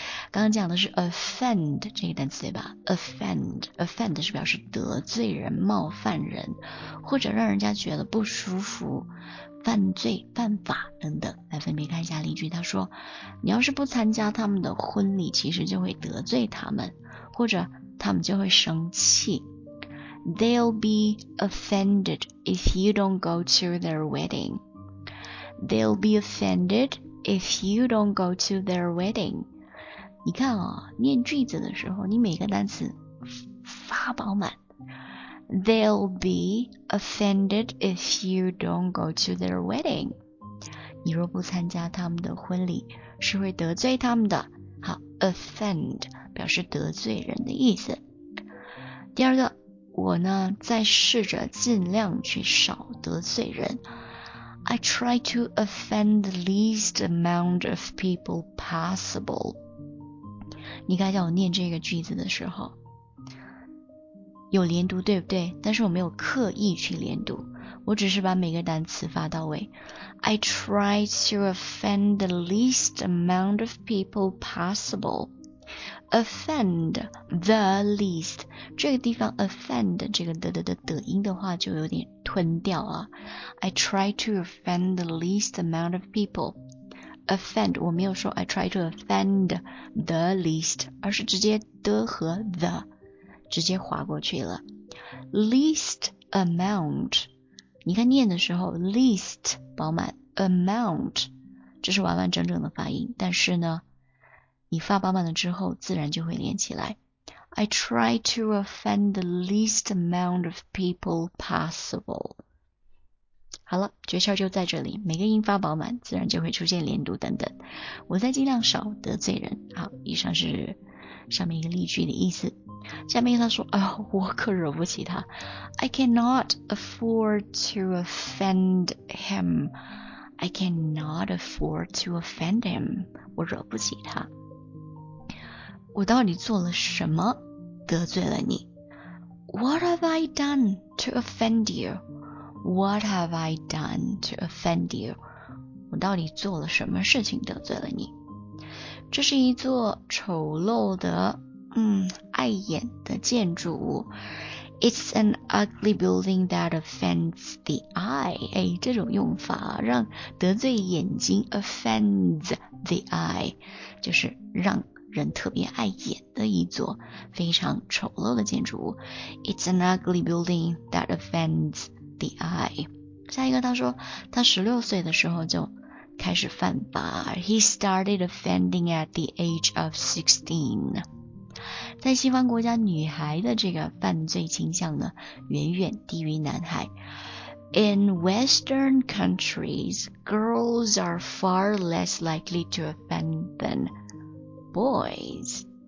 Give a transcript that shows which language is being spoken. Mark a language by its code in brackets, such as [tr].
[zh] 刚刚讲的是 offend 这个单词，对吧？offend 是表示得罪人、冒犯人，或者让人家觉得不舒服、犯罪、犯法等等。来分别看一下例句。他说，你要是不参加他们的婚礼，其实就会得罪他们，或者他们就会生气。 [en] They'll be offended if you don't go to their wedding. They'll be offended if you don't go to their wedding. [zh] 你看哦，念句子的时候你每个单词发饱满。 They'll be offended if you don't go to their wedding. 你若不参加他们的婚礼，是会得罪他们的。好， offend表示得罪人的意思。第二个，我呢在试着尽量去少得罪人。 [en] I try to offend the least amount of people possible。 [zh] 你刚才我念这个句子的时候有连读，对不对？但是我没有刻意去连读，我只是把每个单词发到位。 [en] I try to offend the least amount of people possible。 Offend the least [zh] 这个地方 offend 这个的音的话就有点吞掉啊。 [en] I try to offend the least amount of people offend， [zh] 我没有说 [en] I try to offend the least， [zh] 而是直接的和 the 直接划过去了。 [en] least amount [zh] 你看念的时候 least 饱满， amount 这是完完整整的发音，但是呢你发饱满了之后自然就会连起来。 [en] I try to offend the least amount of people possible。 [zh] 好了，诀窍就在这里，每个音发饱满自然就会出现连读等等，我再尽量少得罪人。好，以上是上面一个例句的意思。下面他说，哎呦，我可惹不起他。 [en] I cannot afford to offend him。 I cannot afford to offend him。 [zh] 我惹不起他，我到底做了什么得罪了你？ [en] What have I done to offend you? What have I done to offend you? [zh] 我到底做了什么事情得罪了你？这是一座丑陋的碍眼的建筑物。 [en] It's an ugly building that offends the eye. [zh] 哎，这种用法让得罪眼睛 [en] offends the eye， [zh] 就是让人特别碍眼的一座非常丑陋的建筑物。 [en] It's an ugly building that offends the eye. [zh] 下一个，他说他16岁的时候就开始犯法。 [en] He started offending at the age of 16. [zh] 在西方国家，女孩的这个犯罪倾向呢，远远低于男孩。 [en] In Western countries, girls are far less likely to offend than boys.